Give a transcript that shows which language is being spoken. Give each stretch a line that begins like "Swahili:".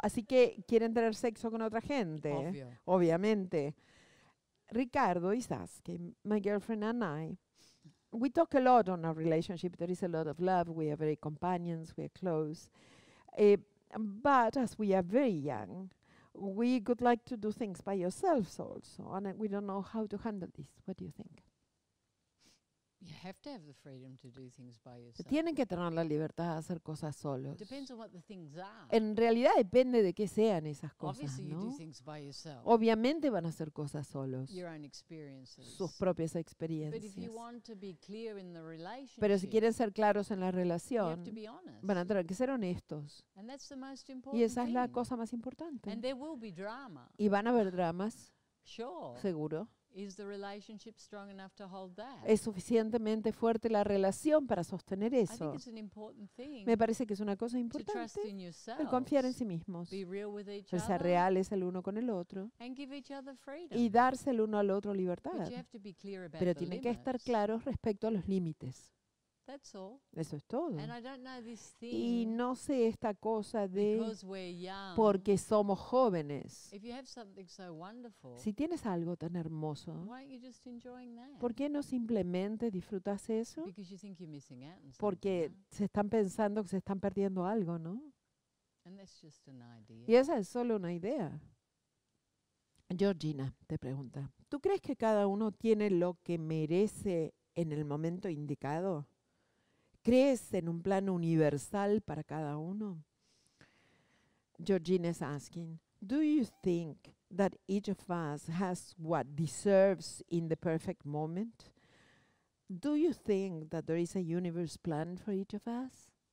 Spanish: Así que quieren tener sexo con otra gente. Obvio. Obviamente.
English: Ricardo y Saskia, my girlfriend and I, we talk a lot on our relationship. There is a lot of love. We are very companions. We are close. But as we are very young, we could like to do things by ourselves also. And we don't know how to handle this. What do you think? You have to have the freedom to do things by yourself.
Spanish: Tienen que tener la libertad de hacer cosas solos.
English: Depends on what the things are.
Spanish: En realidad depende de qué sean esas cosas,
English: obviously,
Spanish: ¿no?
English: You do things by yourself.
Spanish: Obviamente van a hacer cosas solos.
English: Your own experiences.
Spanish: Sus propias experiencias.
English: But if you want to be clear in the relationship,
Spanish: pero si quieren ser claros en la relación,
English: you have to be honest.
Spanish: Van a tener que ser honestos.
English: And that's the most
Spanish: important y esa es la cosa más importante.
English: And there will be drama.
Spanish: Y van a haber dramas.
English: Sure.
Spanish: Seguro.
English: Is the relationship strong enough to hold that?
Spanish: ¿Es suficientemente fuerte la relación para sostener eso?
English: I think it's an important thing.
Spanish: Me parece que es una cosa importante.
English: To trust in yourselves,
Spanish: el confiar en sí mismos.
English: Be real with each
Spanish: el ser reales el uno con el otro.
English: And give each other freedom.
Spanish: Y darse el uno al otro libertad.
English: But you have to be clear about
Spanish: pero
English: the
Spanish: tienen
English: limits.
Spanish: Que estar claros respecto a los límites.
English: That's all.
Spanish: Eso es todo.
English: And I don't know this thing,
Spanish: y no sé esta cosa de
English: because we're young,
Spanish: porque somos jóvenes.
English: If you have something so wonderful,
Spanish: si tienes algo tan hermoso,
English: why aren't you just enjoying that?
Spanish: ¿Por qué no simplemente disfrutas eso?
English: Because you think you're missing out on
Spanish: porque
English: something.
Spanish: Se están pensando que se están perdiendo algo, ¿no?
English: And that's just an idea.
Spanish: Y esa es solo una idea. Georgina te pregunta, ¿tú crees que cada uno tiene lo que merece en el momento indicado? ¿Crees en un plan universal para cada uno?
English: Georgina is asking, do you think that each of us has what deserves in the perfect moment? Do you think that there is a universe plan for each of us?